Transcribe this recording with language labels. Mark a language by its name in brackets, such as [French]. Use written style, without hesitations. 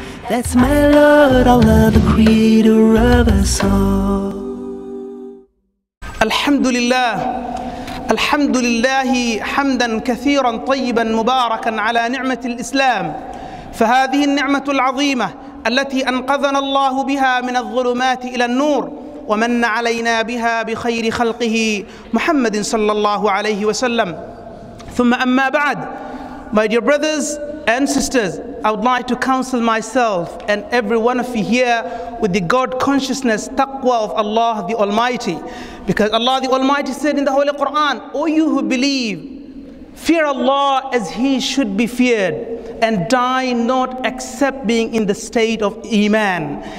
[English] That's my Lord, Allah, the creator of us all. [Arabic] الحمد لله الحمد لله حمدا كثيرا طيبا مباركا على نعمة الإسلام. فهذه النعمة العظيمة التي أنقذنا الله بها من الظلمات إلى النور ومن علينا بها بخير خلقه محمد صلى الله عليه وسلم. ثم أما بعد, [English] my dear brothers and sisters, I would like to counsel myself and every one of you here with the God consciousness, taqwa of Allah the Almighty. Because Allah the Almighty said in the Holy Quran, O you who believe, fear Allah as He should be feared, and die not except being in the state of Iman.